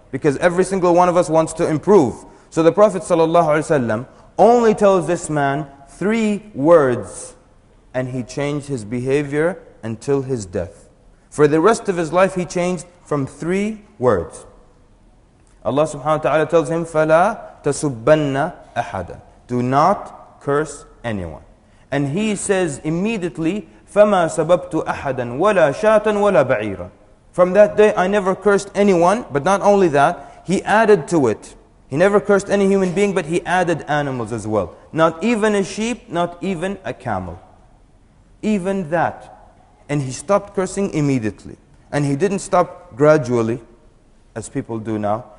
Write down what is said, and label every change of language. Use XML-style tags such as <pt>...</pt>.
<en>Because every single one of us wants to improve. So the Prophet ﷺ only tells this man three words, and he changed his behavior until his death. For the rest of his life, he changed from three words. Allah subhanahu wa ta'ala tells him,</en> <ar>فَلَا تَسُبَّنَّ أَحَدًا.</ar> <en>Do not curse anyone. And he says immediately,</en> <ar>فَمَا سَبَبْتُ أَحَدًا وَلَا شَاتًا وَلَا بَعِيرًا.</ar> <en>From that day, I never cursed anyone. But not only that, he added to it. He never cursed any human being, but he added animals as well. Not even a sheep, not even a camel. Even that. And he stopped cursing immediately. And he didn't stop gradually, as people do now.</en>